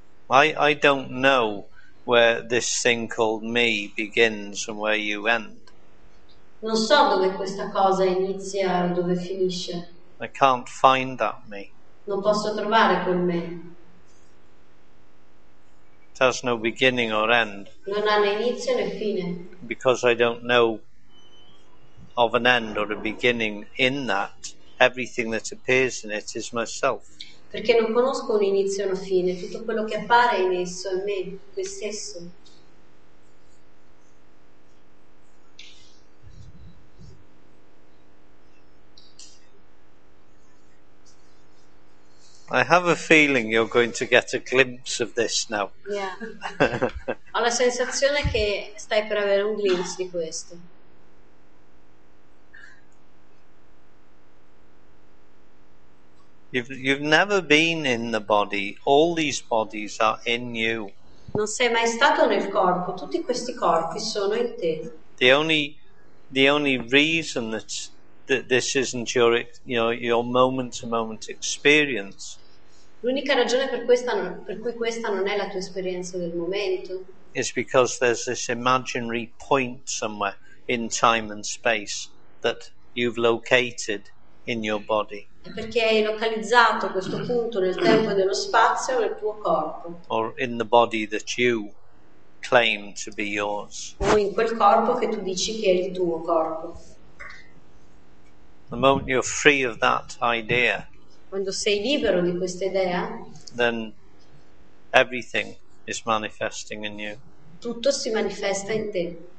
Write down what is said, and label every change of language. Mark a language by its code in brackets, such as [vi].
[en] I don't know where this thing called me begins and where you end. [it] Non so dove questa cosa inizia e dove finisce. [en] I can't find that me. [it] Non posso trovare quel me. [en] It has no beginning or end. [it] Non ha né inizio né fine. [en] Because I don't know of an end or a beginning in that, everything that appears in it is myself. [it] Perché non conosco un inizio e una fine, tutto quello che appare in esso è me, me stesso. [en] I have a feeling you're going to get a glimpse of this now. [it] Yeah. Ho la sensazione che stai per avere un glimpse di questo. [en] You've never been in the body. All these bodies are in you. [it] Non sei mai stato nel corpo. Tutti questi corpi sono in te. [en] The only reason that this isn't your moment-to-moment experience. [it] L'unica ragione per cui questa non è la tua esperienza del momento. [en] It's because there's this imaginary point somewhere in time and space that you've located in your body. [it] È perché hai localizzato questo punto nel tempo e nello spazio nel tuo corpo. [en] Or in the body that you claim to be yours. [it] O in quel corpo che tu dici che è il tuo corpo. [en] The moment you're free of that idea. [it] Quando sei libero di questa idea, [en] then everything is manifesting in you. [it] Tutto si manifesta in te.